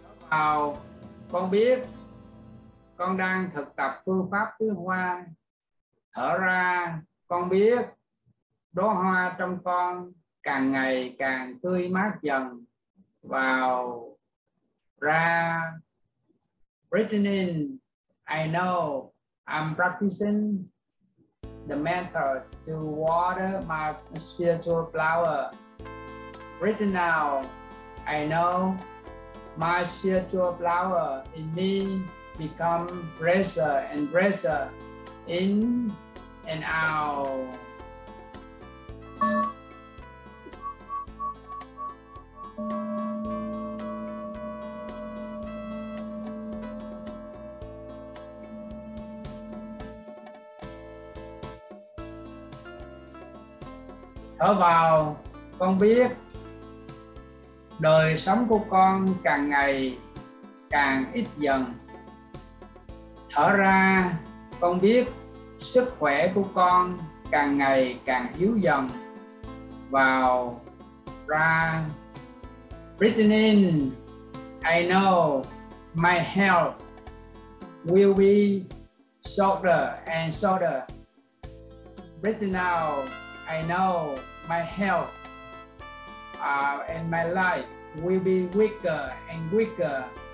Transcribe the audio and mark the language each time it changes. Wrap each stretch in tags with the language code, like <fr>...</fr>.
<vi>Vào, con biết con đang thực tập phương pháp tứ hoa. Thở ra, con biết đóa hoa trong con càng ngày càng tươi mát dần. Vào, ra.</vi> <en>Breathing in, I know I'm practicing the method to water my spiritual flower. Breathing out, I know my spiritual flower in me become fresher and fresher. In and out.</en> <vi>Thở vào, con biết đời sống của con càng ngày càng ít dần. Thở ra, con biết sức khỏe của con càng ngày càng yếu dần. Vào, ra.</vi> <en>Breathing in, I know my health will be shorter and shorter. Breathing out, I know my health and my life will be weaker and weaker.</en>